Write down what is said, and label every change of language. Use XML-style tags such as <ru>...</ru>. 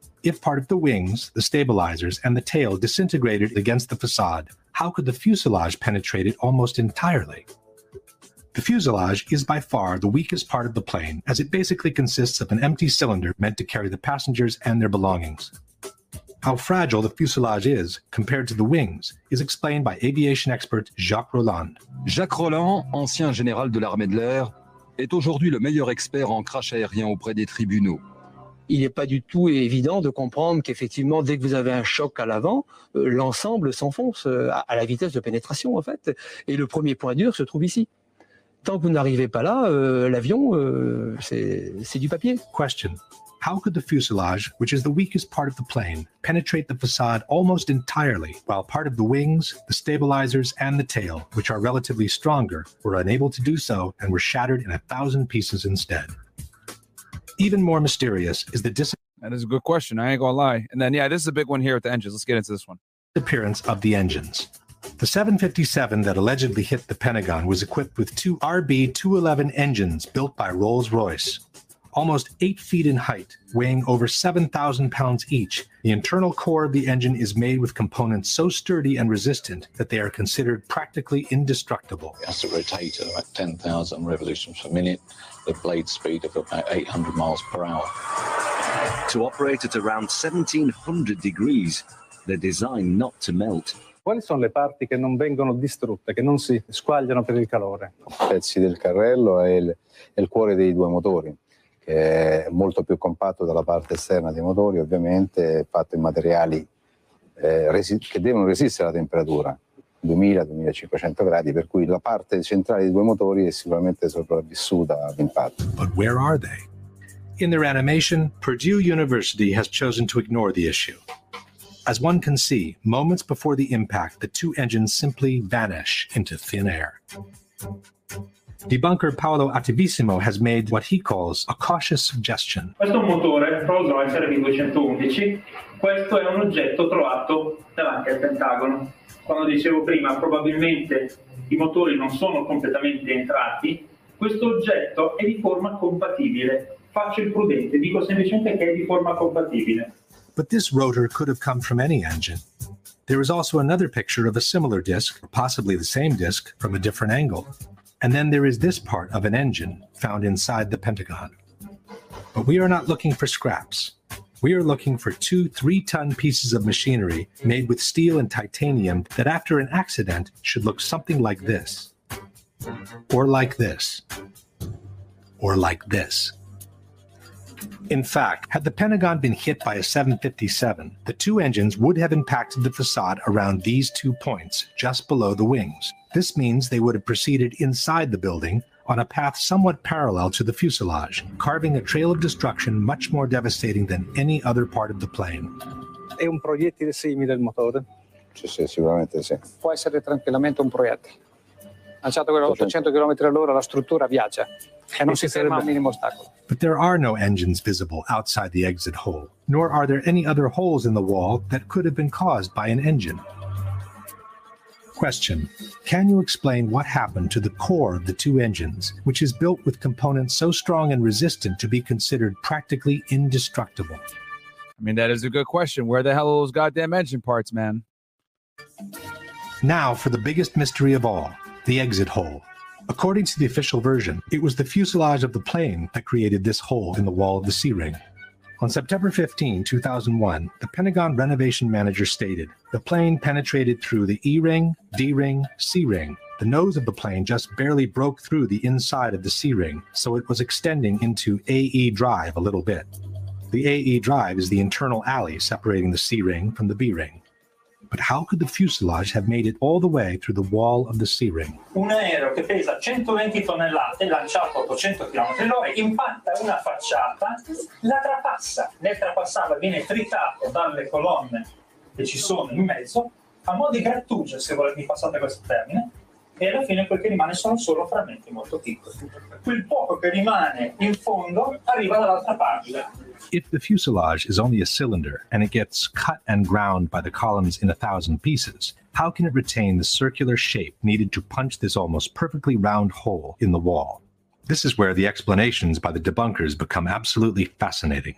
<en>If part of the wings, the stabilizers, and the tail disintegrated against the facade, how could the fuselage penetrate it almost entirely? The fuselage is by far the weakest part of the plane, as it basically consists of an empty cylinder meant to carry the passengers and their belongings. How fragile the fuselage is compared to the wings is explained by aviation expert Jacques Roland.</en> <fr>Jacques Roland, ancien général de l'armée de l'air, est aujourd'hui le meilleur expert en crash aérien auprès des tribunaux. il n'est pas du tout évident de comprendre qu'effectivement, dès que vous avez un choc à l'avant, l'ensemble s'enfonce à la vitesse de pénétration, en fait. Et le premier point dur se trouve ici. Tant que vous n'arrivez pas là, l'avion, c'est du papier.</fr> <en>Question. How could the fuselage, which is the weakest part of the plane, penetrate the facade almost entirely, while part of the wings, the stabilizers, and the tail, which are relatively stronger, were unable to do so and were shattered in 1,000 pieces instead? Even more mysterious is the That is a good question, I ain't gonna lie. And then, yeah, this is a big one here with the engines. Let's get into this one. Disappearance of the engines. The 757 that allegedly hit the Pentagon was equipped with two RB211 engines built by Rolls-Royce. Almost 8 feet in height, weighing over 7,000 pounds each, the internal core of the engine is made with components so sturdy and resistant that they are considered practically indestructible. That's a rotator at 10,000 revolutions per minute, the blade speed of about 800 miles per hour. To operate at around 1,700 degrees, they're designed not to melt.</en> <it>Quali sono le parti che non vengono distrutte, che non si squagliano per il calore? Pezzi del carrello e il cuore dei due motori. È molto più compatto della parte esterna dei motori, ovviamente fatto in materiali che devono resistere alla temperatura, 2000-2500 gradi, per cui la parte centrale dei due motori è sicuramente sopravvissuta all'impatto.</it> <en>But where are they? In their animation, Purdue University has chosen to ignore the issue. As one can see, moments before the impact, the two engines simply vanish into thin air. Debunker Paolo Attivissimo has made what he calls a cautious suggestion.</en> <it>Questo motore Rolls-Royce RB211, questo è un oggetto trovato davanti al Pentagono. Quando dicevo prima, probabilmente i motori non sono completamente entrati, questo oggetto è di forma compatibile. Faccio il prudente, dico semplicemente che è di forma compatibile.</it> <en>But this rotor could have come from any engine. There is also another picture of a similar disc, possibly the same disc, from a different angle. And then there is this part of an engine found inside the Pentagon. But we are not looking for scraps. We are looking for 2 3-ton pieces of machinery made with steel and titanium that after an accident should look something like this. Or like this. Or like this. In fact, had the Pentagon been hit by a 757, the two engines would have impacted the facade around these two points, just below the wings. This means they would have proceeded inside the building on a path somewhat parallel to the fuselage, carving a trail of destruction much more devastating than any other part of the plane.</en> <it>È un proiettile simile al motore? Sì, sì, sicuramente sì. Può essere tranquillamente un proiettile. Lanciato quello a 800 km all'ora, la struttura viaggia e non si ferma al minimo ostacolo.</it> <en>But there are no engines visible outside the exit hole, nor are there any other holes in the wall that could have been caused by an engine. Question. Can you explain what happened to the core of the two engines, which is built with components so strong and resistant to be considered practically indestructible? I mean, that is a good question. Where the hell are those goddamn engine parts, man? Now for the biggest mystery of all, the exit hole. According to the official version, it was the fuselage of the plane that created this hole in the wall of the C-ring. On September 15, 2001, the Pentagon renovation manager stated, the plane penetrated through the E-ring, D-ring, C-ring. The nose of the plane just barely broke through the inside of the C-ring, so it was extending into AE drive a little bit. The AE drive is the internal alley separating the C-ring from the B-ring. But how could the fuselage have made it all the way through the wall of the C-ring?</en> <it>Un aereo che pesa 120 tonnellate, lanciato a 800 km all'ora, impatta una facciata, la trapassa. Nel trapassarla viene tritato dalle colonne che ci sono in mezzo, a mo' di grattugio, se volete, mi passate questo termine, e alla fine quel che rimane sono solo frammenti molto piccoli. Quel poco che rimane in fondo arriva dall'altra parte.</it> <en>If the fuselage is only a cylinder and it gets cut and ground by the columns in 1,000 pieces, how can it retain the circular shape needed to punch this almost perfectly round hole in the wall? This is where the explanations by the debunkers become absolutely fascinating.</en>